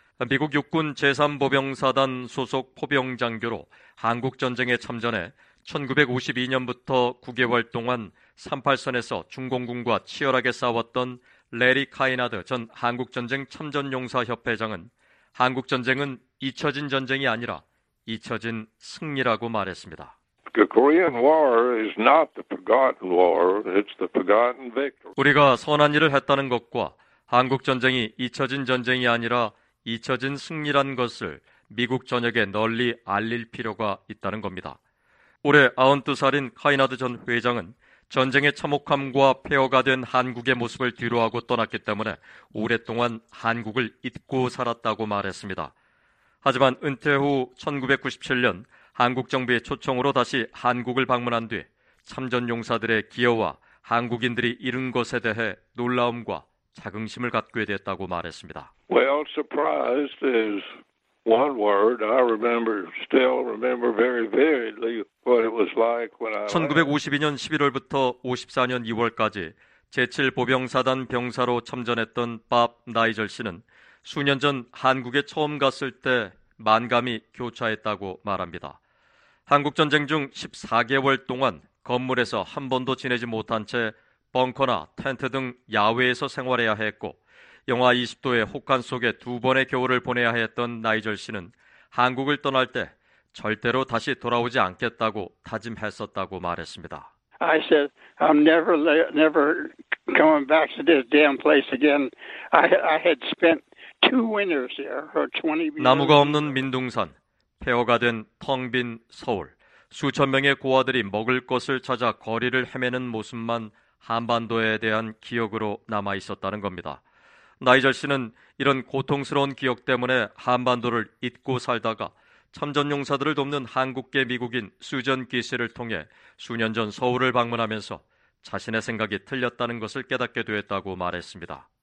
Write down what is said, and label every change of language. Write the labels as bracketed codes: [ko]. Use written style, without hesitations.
[ko] 미국 육군 제3보병사단 소속 포병장교로 한국전쟁에 참전해 1952년부터 9개월 동안 38선에서 중공군과 치열하게 싸웠던 레리 카이나드 전 한국전쟁 참전용사협회장은 한국전쟁은 잊혀진 전쟁이 아니라 잊혀진 승리라고 말했습니다. [en] The Korean War is not the forgotten war, it's the forgotten victory. [ko] 우리가 선한 일을 했다는 것과 한국전쟁이 잊혀진 전쟁이 아니라 잊혀진 승리란 것을 미국 전역에 널리 알릴 필요가 있다는 겁니다. 올해 92살인 카이나드 전 회장은 전쟁의 참혹함과 폐허가 된 한국의 모습을 뒤로하고 떠났기 때문에 오랫동안 한국을 잊고 살았다고 말했습니다. 하지만 은퇴 후 1997년 한국 정부의 초청으로 다시 한국을 방문한 뒤 참전용사들의 기여와 한국인들이 이룬 것에 대해 놀라움과 자긍심을 갖게 됐다고 말했습니다. [en] Well, surprised is one word. I remember, still remember very vividly what it was like when I. [ko] 1952년 11월부터 54년 2월까지 제7보병사단 병사로 참전했던 밥 나이절 씨는 수년 전 한국에 처음 갔을 때 만감이 교차했다고 말합니다. 한국전쟁 중 14개월 동안 건물에서 한 번도 지내지 못한 채 벙커나 텐트 등 야외에서 생활해야 했고 영하 20도의 혹한 속에 두 번의 겨울을 보내야 했던 나이절 씨는 한국을 떠날 때 절대로 다시 돌아오지 않겠다고 다짐했었다고 말했습니다. [en] I said I'm never coming back to this damn place again. I had spent two winters here. [ko] 나무가 없는 민둥산, 폐허가 된 텅 빈 서울, 수천 명의 고아들이 먹을 것을 찾아 거리를 헤매는 모습만 한반도에 대한 기억으로 남아 있었다는 겁니다. 나이절 씨는 이런 고통스러운 기억 때문에 한반도를 잊고 살다가 참전용사들을 돕는 한국계 미국인 수전 기씨를 통해 수년 전 서울을 방문하면서 자신의 생각이 틀렸다는 것을 깨닫게 되었다고 말했습니다.